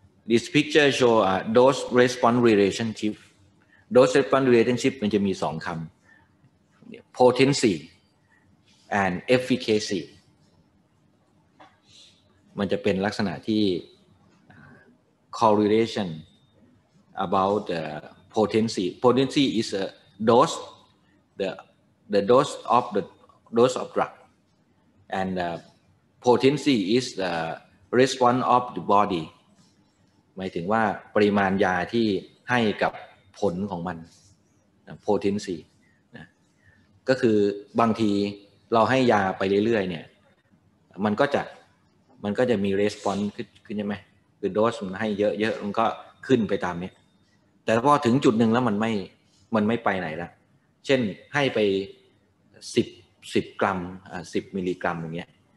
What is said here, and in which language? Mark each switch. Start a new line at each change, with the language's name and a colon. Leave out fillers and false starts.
English: This picture show a dose response relationship dose response relationship
Thai: มันจะมี2คำเนี่ย
English: potency and efficacy
Thai: มันจะเป็นลักษณะที่
English: correlation about the potency. Potency is a dose, the dose of the dose of drug, and potency is the response of the body.
Thai: หมายถึงว่าปริมาณยาที่ให้กับผลของมัน potency นะก็คือบางทีเราให้ยาไปเรื่อยๆเนี่ยมันก็จะมี response ขึ้นใช่ไหมคือ dose มันให้เยอะๆมันก็ขึ้นไปตามนี้แต่พอถึงจุดหนึ่งแล้วมันไม่ไปไหนแล้วเช่นให้ไป10กรัม10มิลลิกรัมอย่างเงี้ย